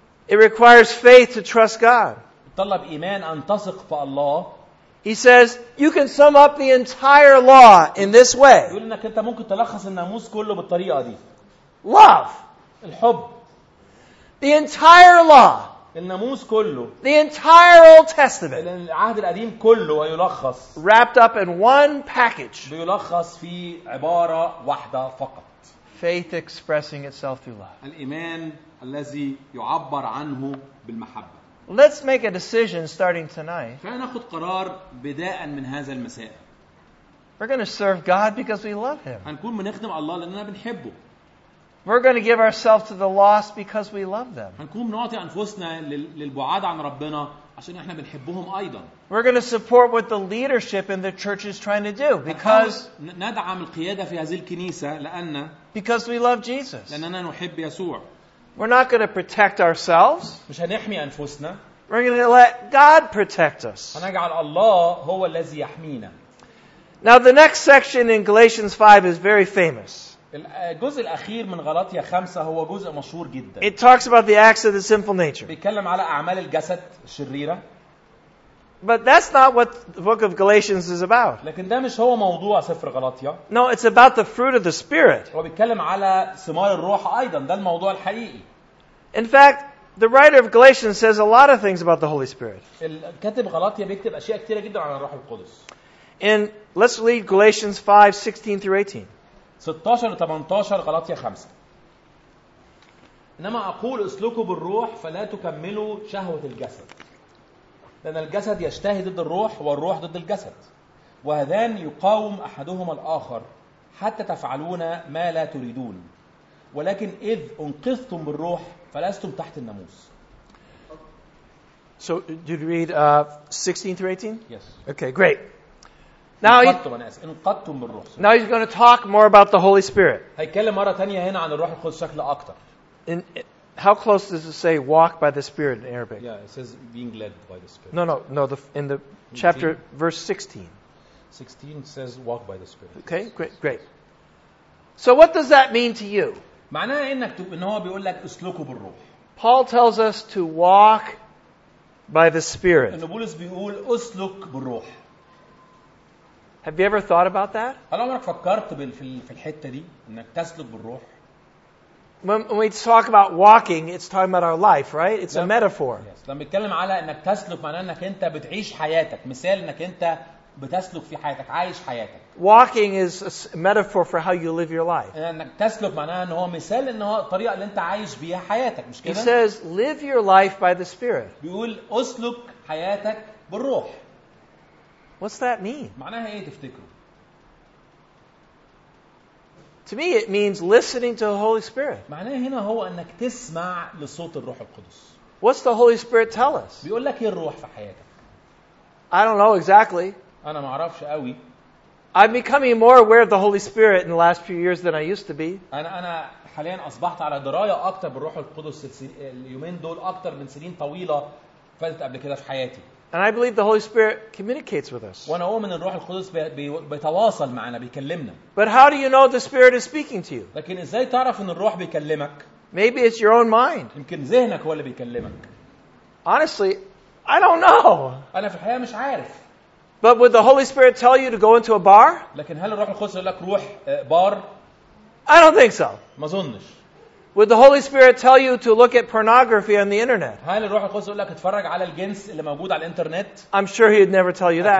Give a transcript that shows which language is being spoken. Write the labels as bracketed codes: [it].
[en] It requires faith to trust God. [ar] يتطلب ايمان ان تثق في الله. [en] He says you can sum up the entire law in this way. [ar] يقول انك انت ممكن تلخص الناموس كله بالطريقه دي. [en] Love. [ar] الحب. [en] The entire law. [ar] الناموس كله. [en] The entire Old Testament. [ar] العهد القديم كله يلخص. [en] Wrapped up in one package. [ar] بيلخص في عبارة واحدة فقط. [en] Faith expressing itself through love. [ar] الإيمان الذي يعبر عنه بالمحبة. [en] Let's make a decision starting tonight. [ar] فنأخذ قرار بداء من هذا المساء. [en] We're going to serve God because we love Him. [ar] هنكون بنخدم الله لأننا بنحبه. [en] We're going to give ourselves to the lost because we love them. [ar] هنكون نعطي أنفسنا للبعاد عن ربنا عشان إحنا بنحبهم أيضا. [en] We're going to support what the leadership in the church is trying to do because [ar] ندعم القيادة في هذه الكنيسة لأن [en] because we love Jesus. [ar] لأننا نحب يسوع. [en] We're not going to protect ourselves. [ar] مش هنحمي أنفسنا. [en] We're going to let God protect us. [ar] هنجعل الله هو الذي يحمينا. [en] Now the next section in Galatians 5 is very famous. [ar] الجزء الأخير من غلاطية 5 هو جزء مشهور جدا. [en] It talks about the acts of the sinful nature. [ar] بيتكلم على أعمال الجسد الشريرة. [en] But that's not what the book of Galatians is about. [ar] لكن ده مش هو موضوع سفر غلاطية. [en] No, it's about the fruit of the spirit. [ar] هو بيتكلم على ثمار الروح أيضا. ده الموضوع الحقيقي. [en] In fact, the writer of Galatians says a lot of things about the Holy Spirit. [ar] الكاتب غلاطية بيكتب أشياء كتيرة جدا عن الروح القدس. [en] And let's read Galatians 5:16 through 18. [ar] 16 18 غلاطية 5 إنما أقول اسلكوا بالروح فلا تكملوا شهوة الجسد لأن الجسد يشتهي ضد الروح والروح ضد الجسد وهذان يقاوم أحدهما الآخر حتى تفعلون ما لا تريدون ولكن إذ أنقذتم بالروح فلستم تحت الناموس. [en] So did you read 16 through 18? Yes. Okay, great. Now he's going to talk more about the Holy Spirit. [ar] هيتكلم مرة تانية هنا عن الروح القدس بشكل أكتر. [en] How close does it say walk by the Spirit in Arabic? Yeah, it says being led by the Spirit. No. In the chapter verse 16. 16 says walk by the Spirit. Okay, great. So what does that mean to you? [ar] معناه إنك إن هو بيقول لك اسلكوا بالروح. [en] Paul tells us to walk by the Spirit. [ar] إن بولس بيقول اسلك بالروح. [en] Have you ever thought about that? [ar] هل عمرك فكرت في الحتة دي إنك تسلك بالروح؟ [en] When we talk about walking, it's talking about our life, right? It's a metaphor. Yes. [ar] لما بتكلم على إنك تسلك معناه إنك أنت بتعيش حياتك. مثال إنك أنت بتسلك في حياتك، عايش حياتك. [en] Walking is a metaphor for how you live your life. [ar] إنك تسلك معناه إن هو مثال إن هو الطريقة اللي أنت عايش بيها حياتك، مش كده؟ [en] He says, "Live your life by the Spirit." [ar] بيقول أسلك حياتك بالروح. [en] What's that mean? [ar] معناها ايه تفتكروا؟ [en] To me it means listening to the Holy Spirit. [ar] معناها هنا هو انك تسمع لصوت الروح القدس. [en] What's the Holy Spirit tell us? [ar] بيقول لك ايه الروح في حياتك؟ [en] I don't know exactly. [ar] انا ما اعرفش قوي. [en] I'm becoming more aware of the Holy Spirit in the last few years than I used to be. [ar] انا حاليا اصبحت على درايه اكتر بالروح القدس اليومين دول اكتر من سنين طويله فاتت قبل كده في حياتي. [en] And I believe the Holy Spirit communicates with us. [ar] وأنا أؤمن الروح القدس بيتواصل معنا بيكلمنا. [en] But how do you know the Spirit is speaking to you? [ar] لكن إزاي تعرف إن الروح بيكلمك؟ [en] Maybe it's your own mind. [ar] يمكن ذهنك هو اللي بيكلمك. [en] Honestly, I don't know. [ar] أنا في الحقيقة مش عارف. [en] But would the Holy Spirit tell you to go into a bar? [ar] لكن هل الروح القدس يقول لك روح بار؟ [en] I don't think so. [ar] ما أظنش. [en] Would the Holy Spirit tell you to look at pornography on the internet? [ar] هل الروح القدس يقول لك اتفرج على الجنس اللي موجود على الانترنت؟ [en] I'm sure he'd never tell you that.